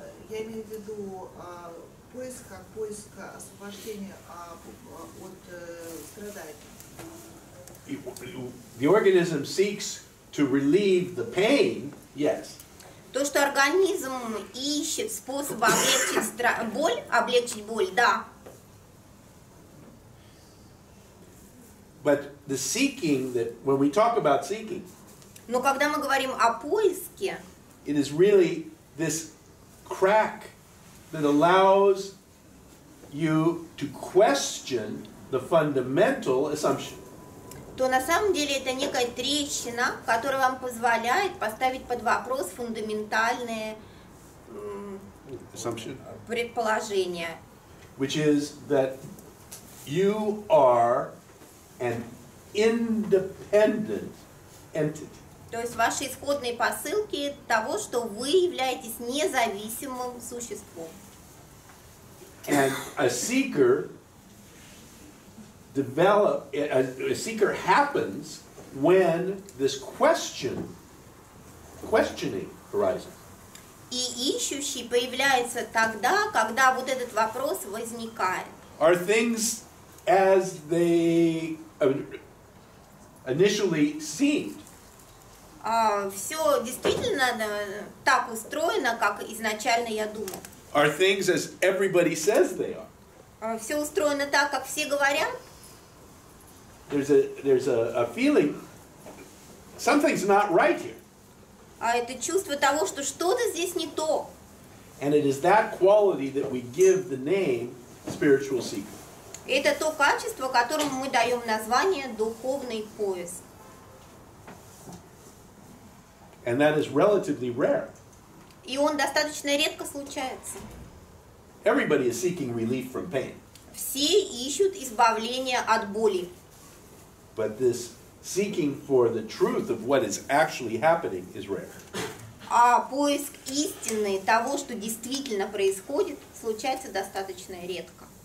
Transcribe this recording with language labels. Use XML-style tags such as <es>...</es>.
<ru>Я имею в виду поиска освобождения от страданий.</ru> <en>The organism seeks to relieve the pain, yes.</en> <ru>То, что организм ищет способы облегчить боль, да.</ru> <en>But the seeking that when we talk about seeking.</en> <ru>Но когда мы говорим о поиске,</ru> <en>it is really this crack that allows you to question the fundamental assumption.</en> <ru>То на самом деле это некая трещина, которая вам позволяет поставить под вопрос фундаментальные</ru> <en>assumption.</en> <ru>Предположения.</ru> <en>Which is that you are an independent entity.</en> <ru>То есть ваши исходные посылки того, что вы являетесь независимым существом.</ru> <en>And a seeker happens when this questioning arises.</en> <ru>И ищущий появляется тогда, когда вот этот вопрос возникает.</ru> <en>Are things as they initially seemed?</en> <ru>Все действительно так устроено, как изначально я думал.</ru> <en>Are things as everybody says they are?</en> <ru>Все устроено так, как все говорят.</ru> <en>There's a feeling something's not right here.</en> <ru>А это чувство того, что что-то здесь не то.</ru> <en>And it is that quality that we give the name spiritual seeker.</en> <ru>Это то качество, которому мы даем название духовный поиск.</ru> <en>And that is relatively rare.</en> <ru>И он достаточно редко случается.</ru> <en>Everybody is seeking relief from pain.</en> <ru>Все ищут избавление от боли.</ru> <en>But this seeking for the truth of what is actually happening is rare.</en> <ru>А поиск истины того, что действительно происходит, случается достаточно редко.</ru>